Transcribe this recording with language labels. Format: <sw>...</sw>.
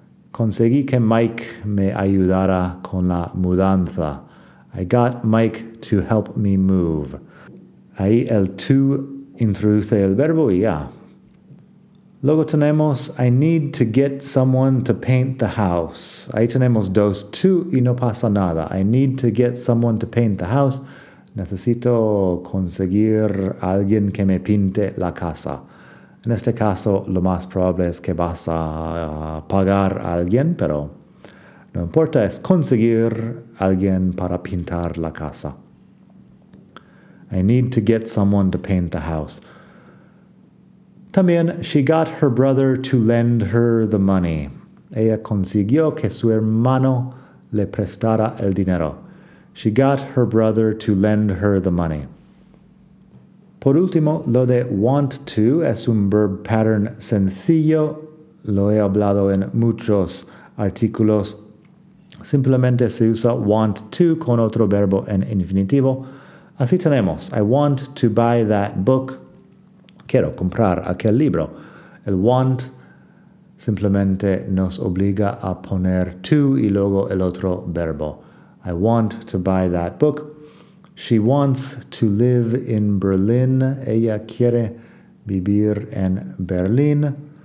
<es>Conseguí que Mike me ayudara con la mudanza.</es> <en>I got Mike to help me move.</en> <es>Ahí el to introduce el verbo y ya. Luego tenemos,</es> <en>I need to get someone to paint the house.</en> <es>Ahí tenemos dos to y no pasa nada.</es> <en>I need to get someone to paint the house.</en> <es>Necesito conseguir a alguien que me pinte la casa. En este caso, lo más probable es que vas a pagar a alguien, pero no importa, es conseguir alguien para pintar la casa.</es> <en>I need to get someone to paint the house.</en> <es>También,</es> <en>she got her brother to lend her the money.</en> <es>Ella consiguió que su hermano le prestara el dinero.</es> <en>She got her brother to lend her the money.</en> <es>Por último, lo de want to es un verb pattern sencillo. Lo he hablado en muchos artículos. Simplemente se usa want to con otro verbo en infinitivo. Así tenemos,</es> <en>I want to buy that book.</en> <es>Quiero comprar aquel libro. El want simplemente nos obliga a poner to y luego el otro verbo.</es> <en>I want to buy that book. She wants to live in Berlin.</en> <es>Ella quiere vivir en Berlín.</es>